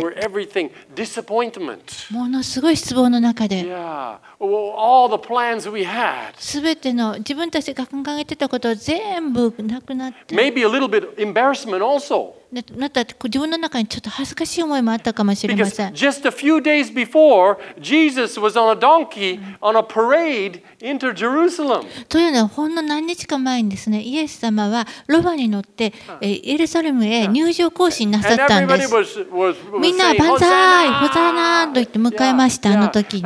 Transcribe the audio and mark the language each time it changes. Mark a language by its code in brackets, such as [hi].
[en] where everything disappointment. [ja] ものすごい失望の中で、 [en] all the plans we had. [ja] すべての自分たちが考えてたことを全部なくなって、 [en] maybe a little bit embarrassment also. [ja] また自分の中にちょっと恥ずかしい思いもあったかもしれません。 [en] just a few days before, Jesus was on a donkey on a parade into Jerusalem. [ja] というのはほんの何日か前にですね、イエス様はロバに乗ってエルサレムへ入場行進なさったんです。みんな万歳、ホサナと言って迎えました、あの時に。